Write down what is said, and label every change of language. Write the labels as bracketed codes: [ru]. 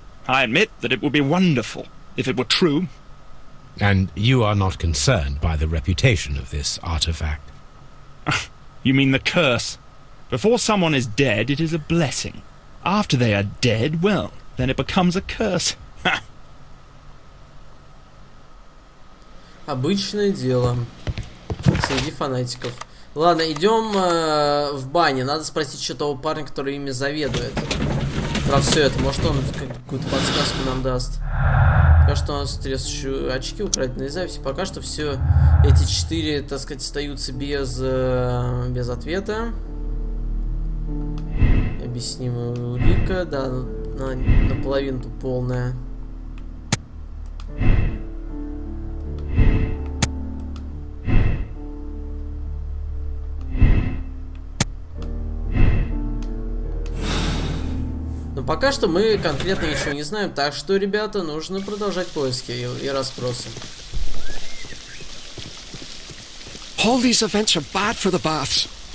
[en] I admit that it would be wonderful if it were true. And you are not concerned by the reputation of this artifact? You mean the curse. Before someone is dead, it is a blessing. After they are dead, well, then it becomes a curse. [ru] Обычное дело среди фанатиков. Ладно, идем в баню. Надо спросить что-то у парня, который ими заведует. Про все это. Может, он какую-то подсказку нам даст. Пока что у нас интересующие очки украдены на записи. Пока что все эти четыре, так сказать, остаются без, без ответа. Объяснимая улика, да, наполовину полная. Но пока что мы конкретно ничего не знаем, так что, ребята, нужно продолжать поиски и расспросы. [en] All these events are bad for the baths.